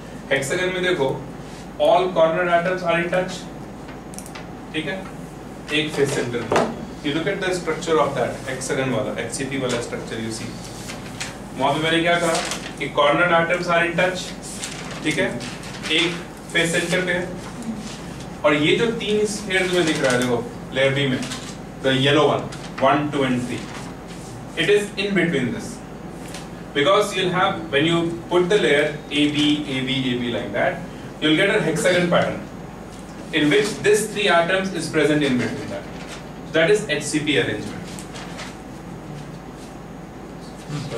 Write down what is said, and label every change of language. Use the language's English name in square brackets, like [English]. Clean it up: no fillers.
[English] Hexagon [Hindi] में देखो, [English] all corner atoms are in touch, [Hindi] ठीक है? एक face center में. [English] You look at the structure of that hexagon [Hindi] वाला, [English] HCP वाला structure you see. [Hindi] वहाँ पे मैंने क्या कहा? कि [English] corner atoms are in touch, [Hindi] ठीक है? एक face center पे है. और ये जो तीन sphere तुम्हें दिख रहा है देखो, layer B में, [English] the yellow one, 1, 2, and 3. It is in between this. Because you'll have, when you put the layer AB, AB, AB like that, you'll get a hexagon pattern in which this three atoms is present in between that. That is HCP arrangement.